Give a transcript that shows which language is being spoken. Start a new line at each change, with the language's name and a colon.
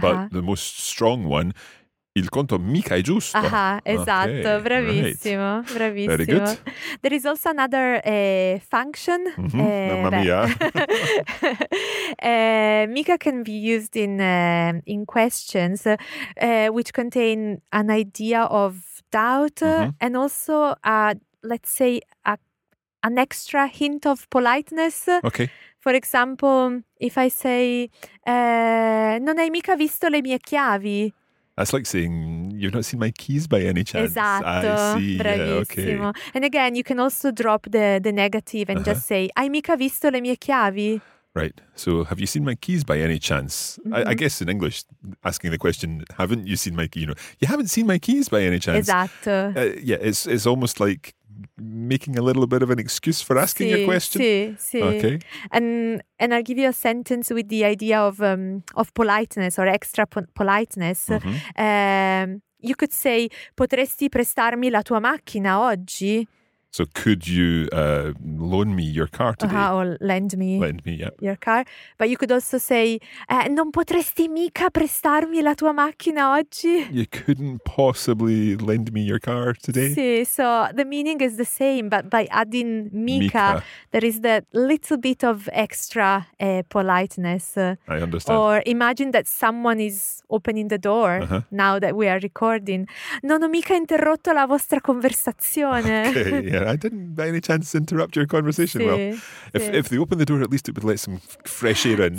English: But the most strong one,
Italian: il conto mica è giusto. Aha, esatto, okay, bravissimo, right. Bravissimo.
English: Very good. There is also another function.
Italian: Mm-hmm. Mamma mia.
English: mica can be used in questions which contain an idea of doubt, mm-hmm. and also, let's say, an extra hint of politeness. Okay. For example, if I say,
Italian: non hai mica visto le mie chiavi?
English: That's like saying, you've not seen my keys by any chance.
Italian: Esatto,
English: I see.
Italian: Bravissimo.
English: Yeah, okay. And again, you can also drop the negative and uh-huh. just say,
Italian: hai mica visto le mie chiavi?
English: Right. So, have you seen my keys by any chance? Mm-hmm. I guess in English, asking the question, haven't you seen my keys? You know, you haven't seen my keys by any chance.
Italian: Esatto.
English: Yeah, it's almost like making a little bit of an excuse for asking a question.
Italian: Sì, sì.
English: Okay. And I'll give you a sentence with the idea of politeness or extra politeness. Mm-hmm. You could say,
Italian: potresti prestarmi la tua macchina oggi?
English: So could you loan me your car today? Uh-huh, or lend me yeah. your car. But you could also say,
Italian: non potresti mica prestarmi la tua macchina oggi?
English: You couldn't possibly lend me your car today? Sì, so the meaning is the same, but by adding mica, there is that little bit of extra politeness. I understand. Or imagine that someone is opening the door uh-huh. now that we are recording.
Italian: Non ho mica interrotto la vostra conversazione.
English: Okay. Yeah, I didn't by any chance interrupt your conversation.
Italian: Sì,
English: well, if they open the door, at least it would let some fresh air in.